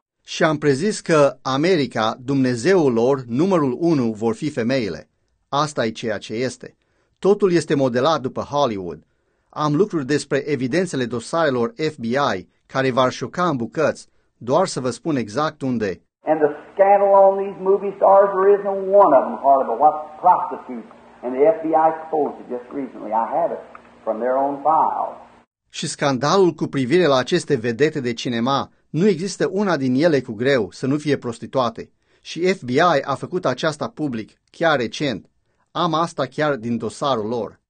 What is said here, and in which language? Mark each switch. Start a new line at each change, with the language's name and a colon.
Romanian: Și am prezis că America, Dumnezeul lor, numărul unu, vor fi femeile. Asta e ceea ce este. Totul este modelat după Hollywood. Am lucruri despre evidențele dosarelor FBI care v-ar șoca în bucăți, doar să vă spun exact unde.
English: And the scandal on these movie stars, there isn't one of them horrible. What prostitutes? And the FBI exposed it just recently. I have it from their own files.
Romanian: Și scandalul cu privire la aceste vedete de cinema, nu există una din ele cu greu să nu fie prostituate. Și FBI a făcut aceasta public, chiar recent. Am asta chiar din dosarul lor.